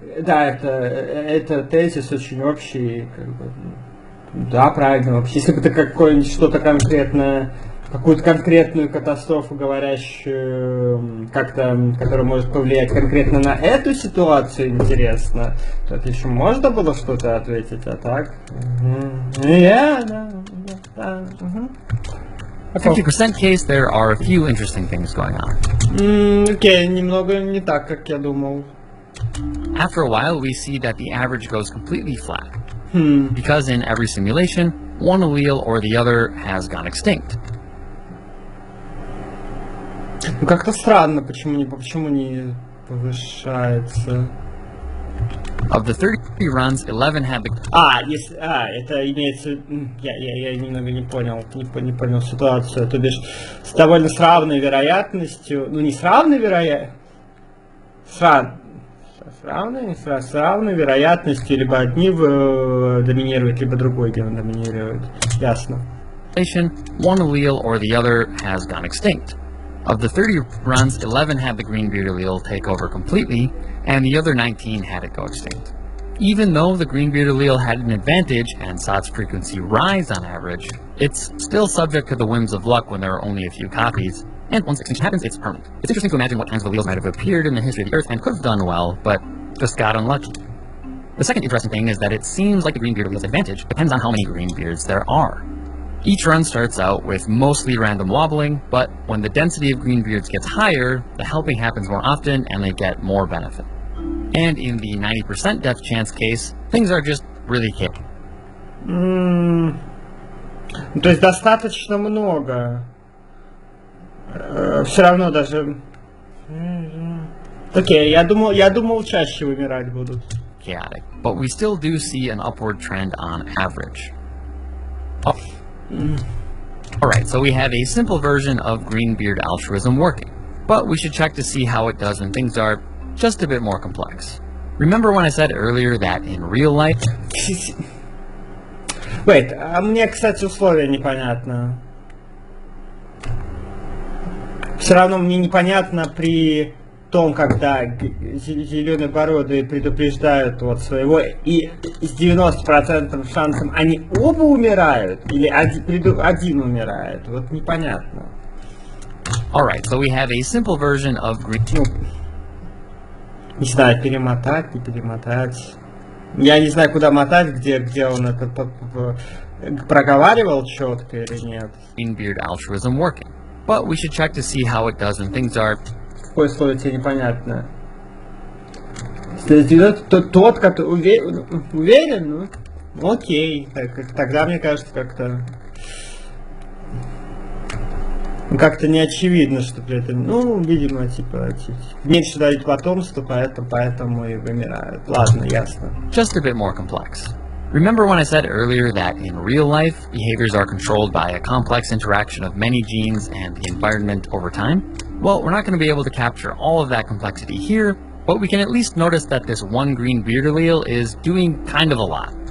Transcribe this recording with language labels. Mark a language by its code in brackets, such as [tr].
[ru] Да, это тезис очень общий. Как бы, да, правильно вообще. Если бы это какое-нибудь что-то конкретное. Какую-то конкретную катастрофу, говорящую как-то, которая может повлиять конкретно на эту ситуацию, интересно. То это еще можно было что-то ответить, а так? [en] В 50% case there are a few interesting things going on. [ru] Окей, немного не так, как я думал. [en] After a while, we see that the average goes completely flat. Because in every simulation, one allele or the other has gone extinct. [ru] Ну как-то странно, почему не повышается. [en] Of the 33 runs, 11 had the... [ru] А, если, а, это имеется... Я немного не понял, не понял ситуацию. То бишь, с довольно с равной вероятностью... Ну, не с равной вероятностью... С равной вероятностью, либо одни доминируют, либо другой ген доминирует. Ясно. [en] One allele or the other has gone extinct. Of the 30 runs, 11 had the green beard allele take over completely, and the other 19 had it go extinct. Even though the green beard allele had an advantage and SOTS frequency rise on average, it's still subject to the whims of luck when there are only a few copies, and once extinction happens, it's permanent. It's interesting to imagine what kinds of alleles might have appeared in the history of the Earth and could have done well, but just got unlucky. The second interesting thing is that it seems like the green beard allele's advantage depends on how many green beards there are. Each run starts out with mostly random wobbling, but when the density of green beards gets higher, the helping happens more often and they get more benefit. And in the 90% death chance case, things are just really kicking. [ru] То есть достаточно много. Все равно даже... Окей, я думал чаще вымирать будут. [en] Chaotic. But we still do see an upward trend on average. Alright, so we have a simple version of Greenbeard altruism working, but we should check to see how it does when things are just a bit more complex. Remember when I said earlier that in real life... Wait, [ru] а мне, кстати, условия непонятно. Все равно мне непонятно при том, когда зеленобородые предупреждают вот своего, и с 90% шансом они оба умирают, или один умирает, вот непонятно. [en] Alright, so we have a simple version of... [ru] Не знаю, перемотать, не перемотать. Я не знаю, куда мотать, где он это проговаривал четко или нет. [en] Greenbeard altruism working. But we should check to see how it does when things are... [ru] Какое слово тебе непонятно? Тот, который уверен? Ну, окей. Тогда мне кажется, как-то... Как-то не очевидно, что при этом... Ну, видимо, типа... Меньше дают потомство, поэтому и вымирают. Ладно, ясно. [en] Just a bit more complex. Remember when I said earlier that in real life, behaviors are controlled by a complex interaction of many genes and the environment over time? Well, we're not going to be able to capture all of that complexity here, but we can at least notice that this one green beard allele is doing kind of a lot.